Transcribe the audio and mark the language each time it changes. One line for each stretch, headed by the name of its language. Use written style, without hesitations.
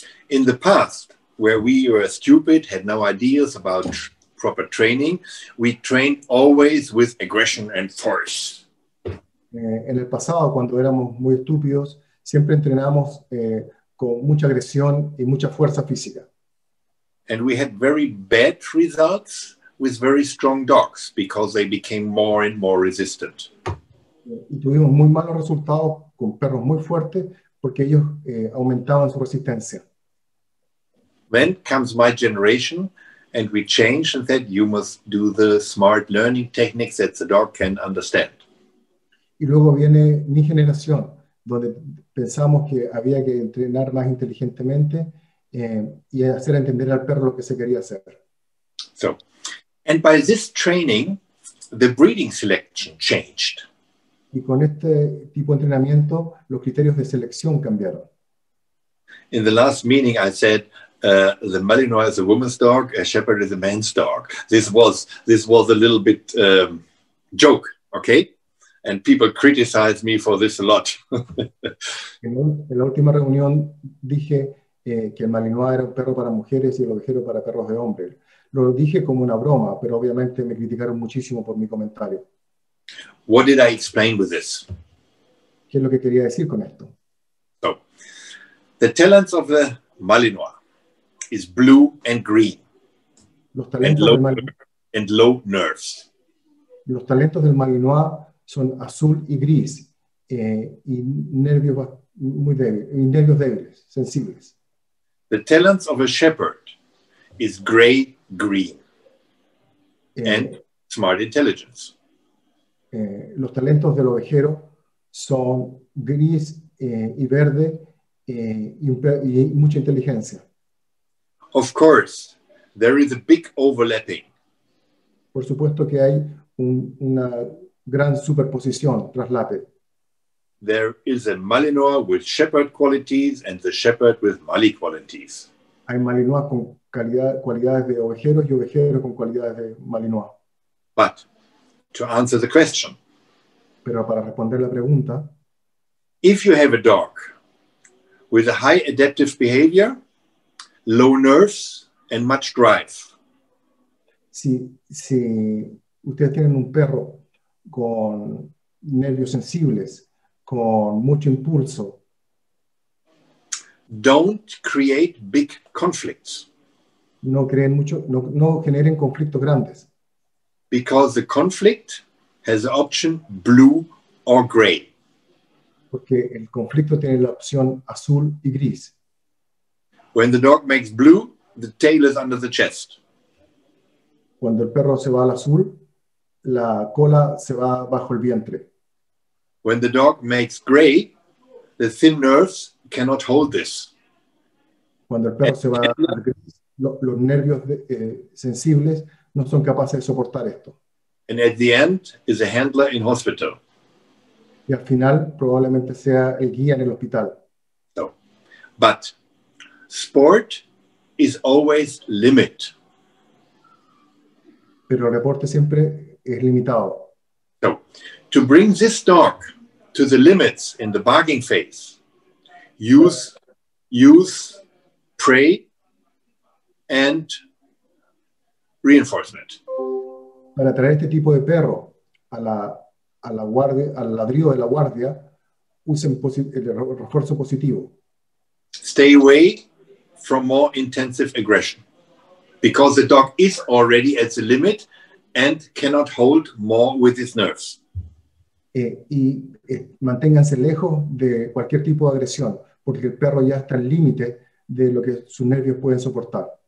English: In the past, where we were stupid, had no ideas about proper training, we trained always with aggression and force.
Spanish: En el pasado, cuando éramos muy estúpidos, siempre entrenamos con mucha agresión y mucha fuerza física.
English: And we had very bad results with very strong dogs because they became more and more resistant.
Spanish: Y tuvimos muy malos resultados con perros muy fuertes porque ellos aumentaban su resistencia.
English: Then comes my generation and we changed and said you must do the smart learning techniques that the dog can understand.
Spanish: Y luego viene mi generación donde pensamos que había que entrenar más inteligentemente y hacer entender al perro lo que se quería hacer.
English: So, and by this training, the breeding selection changed.
Spanish: Y con este tipo de entrenamiento, los criterios de selección cambiaron.
English: In the last meeting, I said the Malinois is a woman's dog, a Shepherd is a man's dog. This was a little bit joke, okay? And people criticized me for this a lot.
Spanish: En la última reunión dije que el Malinois era un perro para mujeres y el ovejero para perros de hombres. Lo dije como una broma, pero obviamente me criticaron muchísimo por mi comentario.
English: What did I explain with this?
Spanish: ¿Qué es lo que quería decir con esto?
English: So, the talents of the Malinois is blue and green.
Spanish: Los talentos del Malinois
English: and low nerves.
Spanish: Los talentos del Malinois son azul y gris y nervios muy débiles, y nervios débiles, sensibles.
English: The talents of a shepherd is gray, green, and smart intelligence.
Spanish: Los talentos del ovejero son gris y verde y mucha inteligencia.
English: Of course, there is a big overlapping.
Spanish: Por supuesto que hay una gran superposición, traslape.
English: There is a Malinois with shepherd qualities and the shepherd with Mali qualities.
Spanish: Hay Malinois con cualidades de ovejeros y ovejeros con cualidades de Malinois.
English: But to answer the question.
Spanish: Pero para responder la pregunta.
English: If you have a dog with a high adaptive behavior, low nerves, and much drive.
Spanish: Si ustedes tienen un perro con nervios sensibles, con mucho impulso.
English: Don't create big conflicts.
Spanish: No generen conflictos grandes.
English: Because the conflict has the option blue or gray.
Spanish: Porque el conflicto tiene la opción azul y gris.
English: When the dog makes blue, the tail is under the chest.
Spanish: Cuando el perro se va al azul, la cola se va bajo el vientre.
English: When the dog makes gray, the thin nerves cannot hold this.
Spanish: Cuando el perro se va al gris, los nervios sensibles no son capaces de soportar esto.
English: And at the end is a handler in hospital.
Spanish: Y al final probablemente sea el guía en el hospital.
English: No. But sport is always limit.
Spanish: Pero el deporte siempre es limitado.
English: So, to bring this dog to the limits in the barking phase, use prey and reinforcement.
Spanish: Para traer este tipo de perro a la guardia, al ladrido de la guardia, usen el refuerzo positivo.
English: Stay away from more intensive aggression, because the dog is already at the limit and cannot hold more with his nerves.
Spanish: Y manténganse lejos de cualquier tipo de agresión, porque el perro ya está al límite de lo que sus nervios pueden soportar.